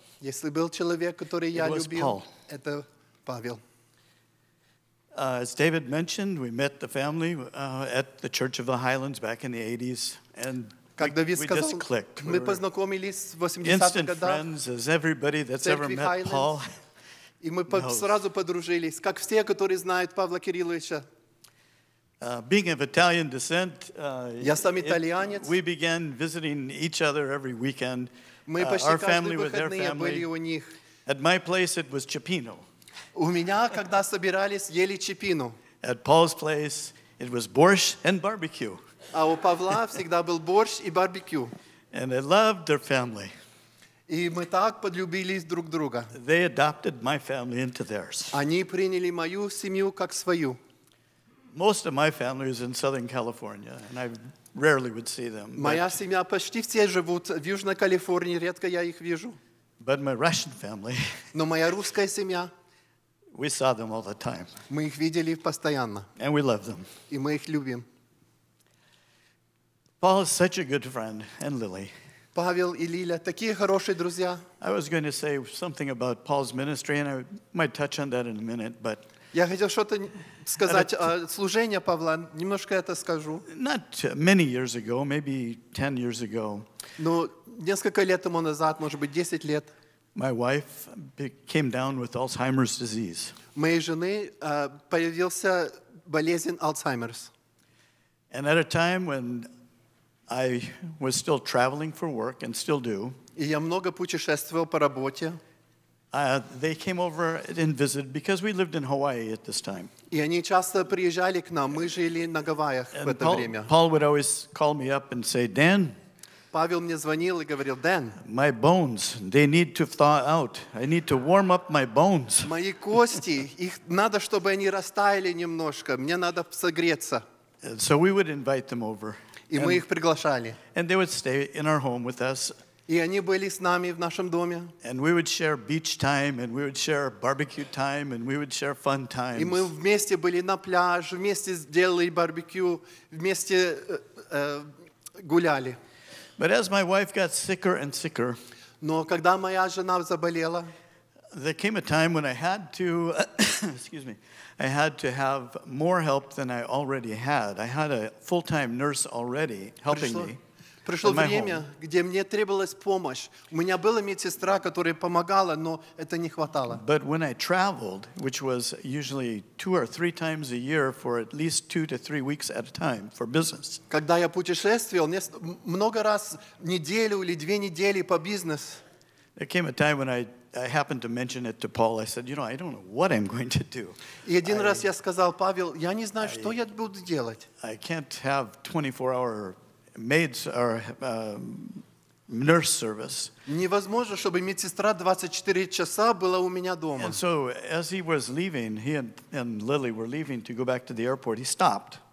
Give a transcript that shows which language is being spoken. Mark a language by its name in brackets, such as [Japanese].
[English] it was Paul. As David mentioned, we met the family at the Church of the Highlands back in the 80s, and... We just clicked. [Ukrainian] Ми познайомились в 80-х [Russian] годах. [English] Instant friends as everybody that's ever met Paul. [Ukrainian] І ми сразу подружились, як всі, які знають Павла Кириловича. [English] Being of Italian descent, [Ukrainian] я сам італіянець. [English] We began visiting each other every weekend. Our family with their family. At my place it was Chipino. [Ukrainian] У мене, коли збирались, їли Чипіно. [English] At Paul's place it was borscht and barbecue. [Ukrainian] А у Павла завжди був борщ і барбекю. [English] And I loved their family. [Ukrainian] І ми так полюбились друг друга. [English] They adopted my family into theirs. [Ukrainian] Вони прийняли мою сім'ю як свою. [English] Most of my family is in Southern California, and I rarely would see them. [Ukrainian] Моя сім'я почти всі живуть в Южній Каліфорнії, рідко я їх бачу. [English] But my Russian family. [Russian] Но моя русская сім'я. [English] We saw them all the time. [Ukrainian] Ми їх бачили постійно. [English] And we love them. [Ukrainian] І ми їх любимо. [English] Paul is such a good friend, and Lily. [Ukrainian] Павел і Ліля такі хороші друзі. [English] I was going to say something about Paul's ministry, and I might touch on that in a minute, but... [Ukrainian] Я хотів щось сказати про служення Павла, немножко це скажу. [English] Not many years ago, maybe 10 years ago. [Russian] Ну, несколько лет тому назад, може бути 10 лет. [English] My wife came down with Alzheimer's disease. [Ukrainian] Моєї жени появился болезнь Alzheimer's. [English] And at a time when... I was still traveling for work and still do. [Russian] Я много путешествовал по работе. [English] They came over and visited because we lived in Hawaii at this time. [Russian] И они часто приезжали к нам. Мы жили на Гавайях в это время. [English] Paul would always call me up and say, "Dan." [Russian] Павел мне звонил и говорил, "Dan." [English] My bones, they need to thaw out. I need to warm up my bones. [Russian] Мои кости, их надо, чтобы они растаяли немножко. Мне надо согреться. [English] So we would invite them over. [Ukrainian] І ми їх приглашали. [English] And they would stay in our home with us. [Ukrainian] І вони були з нами в нашому домі. [English] And we would share beach time, and we would share barbecue time, and we would share fun times. [Ukrainian] І ми вместе були на пляж, вместе зробили барбекю, вместе гуляли. [English] But as my wife got sicker and sicker, [Russian] но когда моя жена заболела, [English] there came a time when I had to, excuse me, I had to have more help than I already had. I had a full-time nurse already helping me. [Russian] Пришло время, где мне требовалась помощь. У меня была медсестра, которая помогала, но это не хватало. [English] But when I traveled, which was usually two or three times a year for at least 2 to 3 weeks at a time for business. [Russian] Когда я путешествовал, много раз в неделю или две недели по бизнесу. [English] There came a time when I happened to mention it to Paul. I said, you know, I don't know what I'm going to do. [Russian] И один раз я сказал, Павел, я не знаю, что я буду делать. [English] I can't have 24-hour maids or nurse service. [Russian] Невозможно, чтобы медсестра 24 часа была у меня дома. [English] And so as he was leaving, he and Lily were leaving to go back to the airport, he stopped.